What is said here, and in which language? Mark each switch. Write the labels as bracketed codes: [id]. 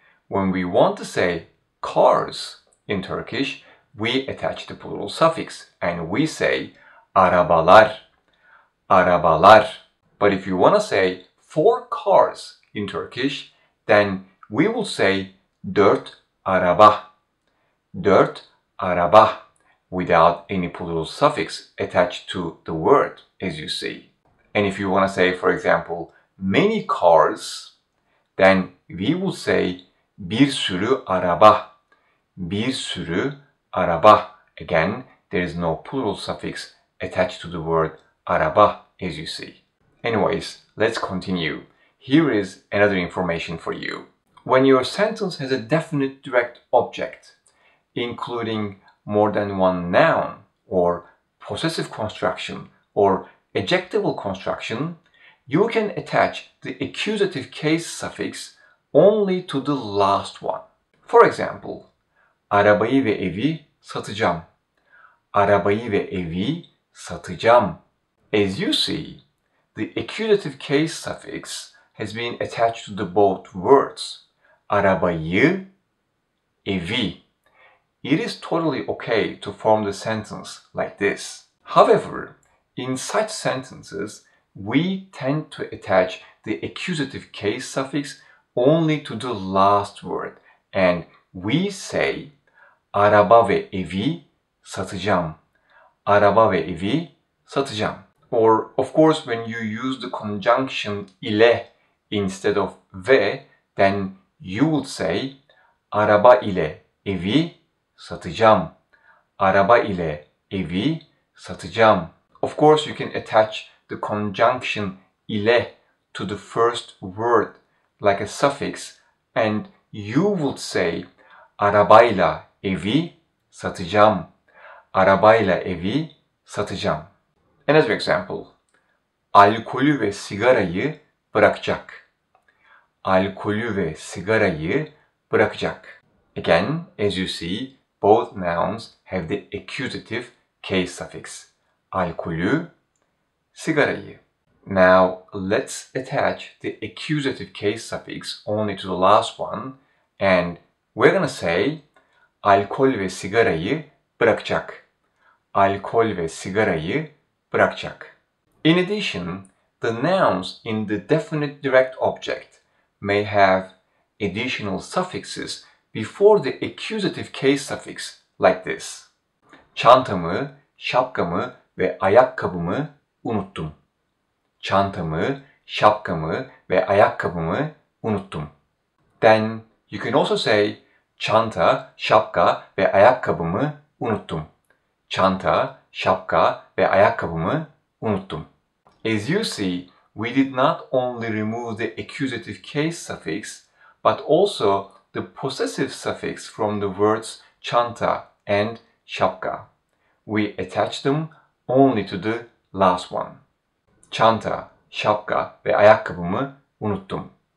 [en] When we want to say cars in Turkish, we attach the plural suffix and we say [tr] arabalar, arabalar. [en] But if you want to say four cars in Turkish, then we will say [tr] dört araba, dört araba, [en] without any plural suffix attached to the word, as you see. And if you want to say, for example, many cars, then we will say [tr] bir sürü araba, bir sürü araba. [en] Again, there is no plural suffix attached to the word araba, as you see. Anyways, let's continue. Here is another information for you. When your sentence has a definite direct object, including more than one noun, or possessive construction, or adjectival construction, you can attach the accusative case suffix only to the last one. [tr] For example, arabayı ve evi satacağım. Arabayı ve evi satacağım. [en] As you see, the accusative case suffix has been attached to the both words, [tr] arabayı, evi. [en] It is totally okay to form the sentence like this. However, in such sentences, we tend to attach the accusative case suffix only to the last word, and we say, [tr] araba ve evi satacağım. Araba ve evi satacağım. [en] Or, of course, when you use the conjunction ile instead of ve, then you would say, [tr] araba ile evi satacağım. Araba ile evi satacağım. [en] Of course, you can attach the conjunction ile to the first word like a suffix, and you would say, [tr] arabayla evi satacağım. Arabayla evi satacağım. [en] Another example. [tr] Alkolü ve sigarayı bırakacak. Alkolü ve sigarayı bırakacak. [en] Again, as you see, both nouns have the accusative case suffix. [tr] Alkolü, sigarayı. [en] Now, let's attach the accusative case suffix only to the last one, and we're gonna say, [tr] alkol ve sigarayı bırakacak. Alkol ve sigarayı bırakacak. [en] In addition, the nouns in the definite direct object may have additional suffixes before the accusative case suffix, like this. [tr] Çantamı, şapkamı ve ayakkabımı unuttum. Çantamı, şapkamı ve ayakkabımı unuttum. [en] Then you can also say, [tr] çanta, şapka ve ayakkabımı unuttum. Çanta, şapka ve ayakkabımı unuttum. [en] As you see, we did not only remove the accusative case suffix, but also the possessive suffix from the words çanta and şapka. We attached them only to the last one. [tr] Çanta, şapka ve ayakkabımı unuttum.